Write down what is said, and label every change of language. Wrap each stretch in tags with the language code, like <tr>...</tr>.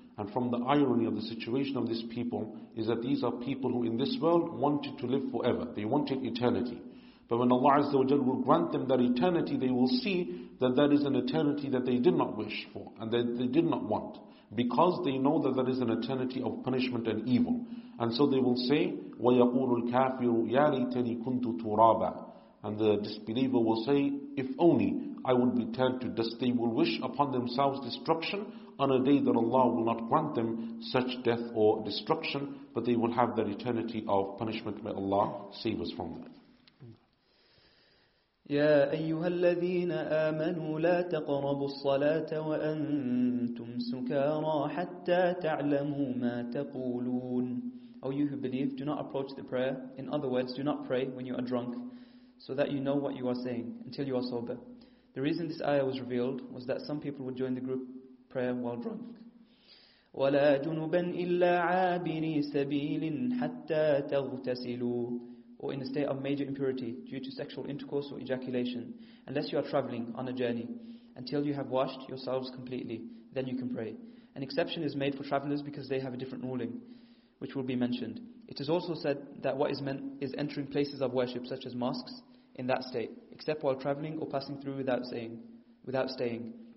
<en>And from the irony of the situation of these people is that these are people who in this world wanted to live forever. They wanted eternity. But when Allah Azza wa Jal will grant them that eternity, they will see that that is an eternity that they did not wish for and that they did not want, because they know that that is an eternity of punishment and evil. And so they will say,</en> <ar>وَيَقُولُ الْكَافِرُ يَا لَيْتَنِي كُنْتُ تُرَابًا.</ar> <en>And the disbeliever will say, if only I would be turned to dust. They will wish upon themselves destruction on a day that Allah will not grant them such death or destruction, but they will have that eternity of punishment. May Allah save us from that.</en> <ar>يا أيها الذين آمنوا لا تقربوا الصلاة وأنتم سكارى حتى تعلموا ما تقولون.</ar> <en>O you who believe, do not approach the prayer. In other words, do not pray when you are drunk, so that you know what you are saying until you are sober. The reason this ayah was revealed was that some people would join the group prayer while drunk.</en> <ar>ولا جنبا إلا عابري سبيل حتى تغتسلوا.</ar> <en>Or in a state of major impurity due to sexual intercourse or ejaculation, unless you are traveling on a journey, until you have washed yourselves completely, then you can pray. An exception is made for travelers because they have a different ruling, which will be mentioned. It is also said that what is meant is entering places of worship, such as mosques, in that state, except while traveling or passing through without staying.</en>